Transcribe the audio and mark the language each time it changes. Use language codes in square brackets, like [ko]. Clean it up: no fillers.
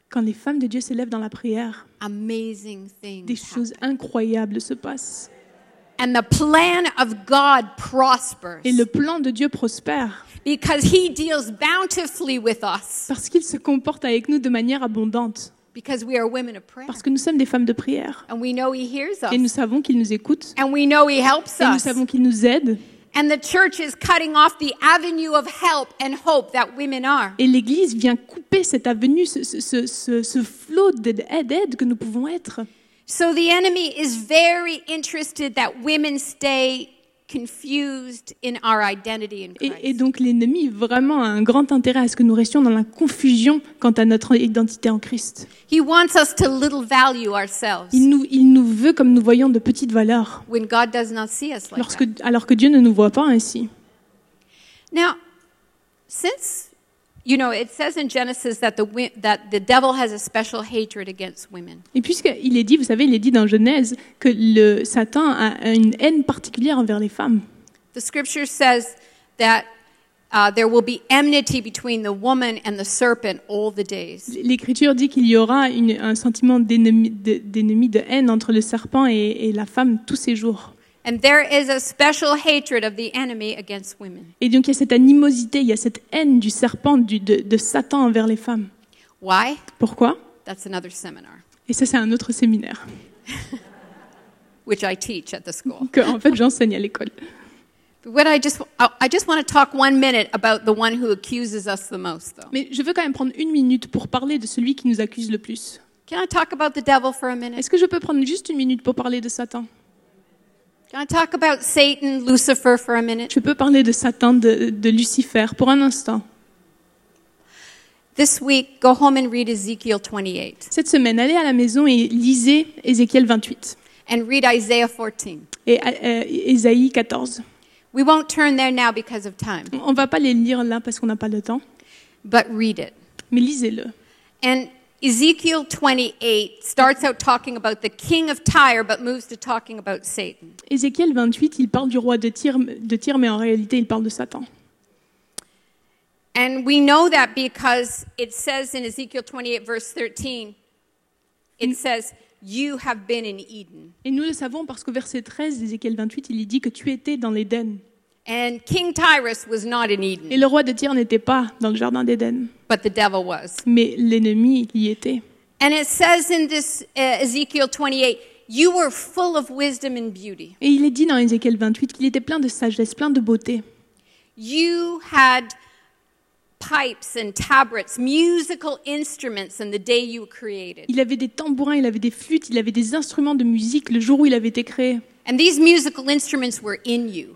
[fr] Quand les femmes de Dieu s'élèvent dans la prière. [en] Amazing things. [fr] Des choses incroyables se passent. [en] And the plan of God prospers. [fr] Et le plan de Dieu prospère. [en] Because he deals bountifully with us. [fr] Parce qu'il se comporte avec nous de manière abondante. [en] Because we are women of prayer. [fr] Parce que nous sommes des femmes de prière. [en] And we know he hears us. [fr] Et nous savons qu'il nous écoute. [en] And we know he helps us. [fr] Et nous savons qu'il nous aide. [en] And the church is cutting off the avenue of help and hope that women are. [fr] Et l'église vient couper cette avenue, ce flot d'aide que nous pouvons être. [en] So the enemy is very interested that women stay confused in our identity in Christ. [fr] Et donc l'ennemi vraiment a un grand intérêt à ce que nous restions dans la confusion quant à notre identité en Christ. [en] He wants us to little value ourselves. [fr] Il nous veut comme nous voyons de petites valeurs. [en] When God does not see us like [fr] lorsque, [en] that. [fr] Alors que Dieu ne nous voit pas ainsi. [en] Now, since you know, it says in Genesis that the devil has a special hatred against women. [fr] Et puisqu'il est dit, vous savez, il est dit dans Genèse que le Satan a une haine particulière envers les femmes. [en] The scripture says that there will be enmity between the woman and the serpent all the days. [fr] L'écriture dit qu'il y aura un sentiment d'ennemie de haine entre le serpent et la femme tous ces jours. [en] And there is a special hatred of the enemy against women. [fr] Et donc il y a cette animosité, il y a cette haine du serpent, de Satan envers les femmes. [en] Why? [fr] Pourquoi? [en] That's another seminar. [fr] Et ça, c'est un autre séminaire. [en] Which I teach at the school. [fr] Que en fait j'enseigne à l'école. [en] What I just want to talk 1 minute about the one who accuses us the most, though. [fr] Mais je veux quand même prendre 1 minute pour parler de celui qui nous accuse le plus. [en] Can I talk about the devil for a minute? [fr] Est-ce que je peux prendre juste 1 minute pour parler de Satan? [en] Can I talk about Satan, Lucifer for a minute? [fr] Je peux parler de Satan, de Lucifer pour un instant. [en] This week, go home and read Ezekiel 28. [fr] Cette semaine, allez à la maison et lisez Ézéchiel 28. [en] And read Isaiah 14. [fr] Et Ésaïe 14. [en] We won't turn there now because of time. [fr] On va pas les lire là parce qu'on n'a pas le temps. [en] But read it. [fr] Mais lisez-le. [en] And Ezekiel 28 starts out talking about the king of Tyre, but moves to talking about Satan. [fr] Ézéchiel 28, il parle du roi de Tyr, mais en réalité, il parle de Satan. [en] And we know that because it says in Ezekiel 28, verse 13, it says, "You have been in Eden." [fr] Et nous le savons parce que verset 13 d'Ézéchiel 28, il dit que tu étais dans l'Éden. [en] And King Tyrus was not in Eden. [fr] Et le roi de Tyr n'était pas dans le jardin d'Éden. [en] But the devil was. [fr] Mais l'ennemi y était. [en] And it says in this Ezekiel 28, you were full of wisdom and beauty. [fr] Et il est dit dans Ézéchiel 28 qu'il était plein de sagesse, plein de beauté. [en] You had pipes and tabrets, musical instruments in the day you were created. [fr] Il avait des tambourins, il avait des flûtes, il avait des instruments de musique le jour où il avait été créé. [en] And these musical instruments were in you.